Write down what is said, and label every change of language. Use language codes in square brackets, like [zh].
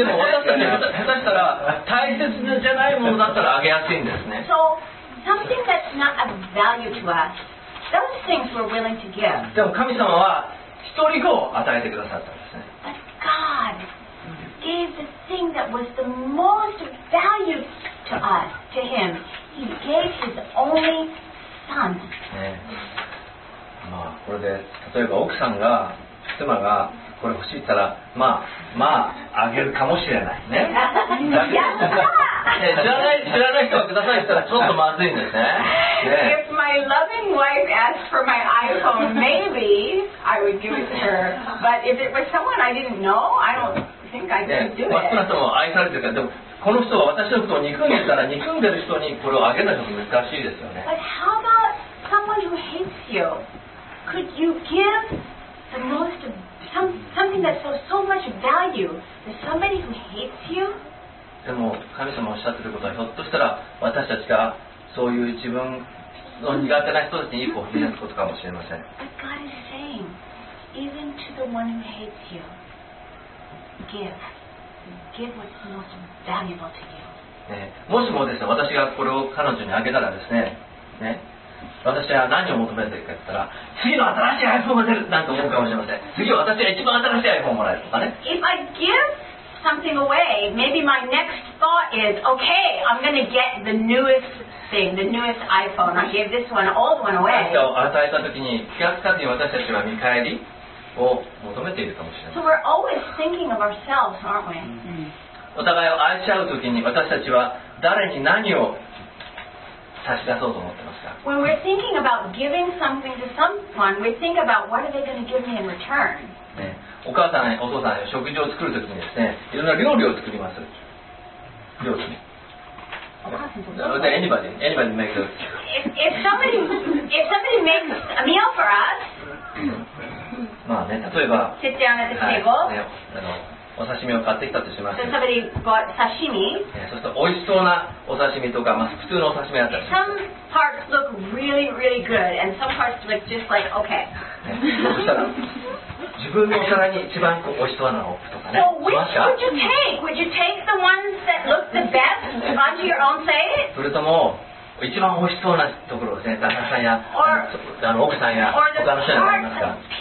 [ja] でも私たち下手したら大切じゃないものだったらあげやすいんですね。 [en] So something that's not of value to us, those things we're willing to give. [ja] でも神様は一人子を与えてくださったんですね。 [en] But God gave the thing that was the most valued to us, to Him. He gave His only son. [ja] まあこれで例えば奥さんが妻がこれ欲しいったらまあまああげるかもしれないね。やった知らない人がくださいったらちょっとまずいんですね。 [en] If my loving wife asked for my iPhone, maybe I would give it to her. But if it was someone I didn't know, I don't think I could do it. [ja] 少なくとも愛されてるから、でもこの人は私のことを憎んでたら憎んでる人にこれをあげるのは難しいですよね。 [en] But how about someone who hates you? Could you give the most of something that's so much value to somebody who hates you? [ja] でも神様おっしゃってることはひょっとしたら私たちがそういう自分の苦手な人たちにいい子を見せることかもしれません。 [en] But God is saying, even to the one who hates you, give. Give what's most valuable to you.、 [ja] ね、もしもですね、私がこれを彼女にあげたらですね、ね、私は何を求めているかといったら次の新しい iPhone が出るなんて思うかもしれません。次は私が一番新しい iPhone をもらえるとかね。 [en] If I give something away, maybe my next thought is, okay, I'm going to get the newest thing, the newest iPhone. I gave this one, old one away. [ja] 私を与えた時に気がつかずに私たちは見返りを求めているかもしれない。 [en] So we're always thinking of ourselves, aren't we? [ja] お互いを愛し合う時に私たちは誰に何を差し出そうと思ってますか。 [en] When we're thinking about giving something to someone, we think about what are they going to give me in return?、 [ja] ね、お母さん、お父さん、食事を作るときにですね、いろんな料理を作ります。料理。お母さんとどうぞ。 [en] Anybody makes it. If somebody makes a meal for us, [ja] まあね、例えば、 [en] sit down at the table.、 [ja] はいね、お刺身を買ってきたとします。 [en] So somebody bought sashimi. [ja] そして美味しそうなお刺身とか、まあ、普通のお刺身だったり。 [en] Some parts look really, really good, and some parts look just like okay. [ja] そしたら、自分のお皿に一番美味しそうなのを置くとかね。 [en] So which would you take? Would you take the ones that look the best onto your own plate? [ja] それとも一番美味しそうなところですね、旦那さんや奥さんや他の人にありますか。